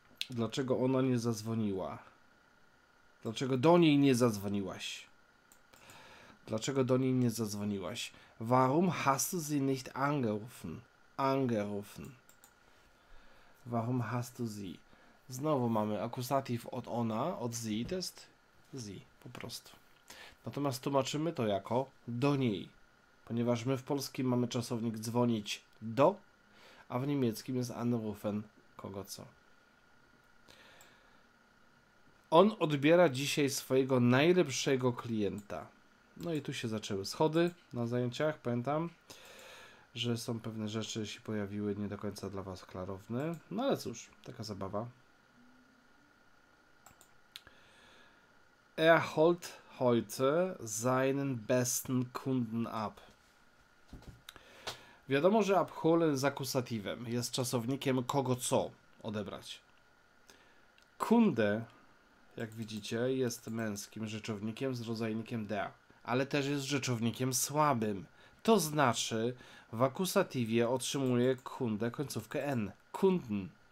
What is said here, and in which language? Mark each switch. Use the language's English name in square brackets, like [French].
[Polish] Dlaczego ona nie zadzwoniła? Dlaczego do niej nie zadzwoniłaś? Dlaczego do niej nie zadzwoniłaś? [German] Warum hast du sie nicht angerufen? Angerufen. Warum hast du sie? [Polish] Znowu mamy akusatyw od ona, od sie, to jest sie, po prostu. Natomiast tłumaczymy to jako do niej, ponieważ my w polskim mamy czasownik dzwonić do, a w niemieckim jest anrufen kogo co. On odbiera dzisiaj swojego najlepszego klienta. No i tu się zaczęły schody na zajęciach. Pamiętam, że są pewne rzeczy się pojawiły nie do końca dla Was klarowne. No ale cóż, taka zabawa. [German] Er holt heute seinen besten Kunden ab. [Polish] Wiadomo, że abholen z akusatywem jest czasownikiem kogo co odebrać. Kunde, jak widzicie, jest męskim rzeczownikiem z rodzajnikiem der, ale też jest rzeczownikiem słabym. To znaczy, w akusatywie otrzymuje kunde końcówkę n. Kunden.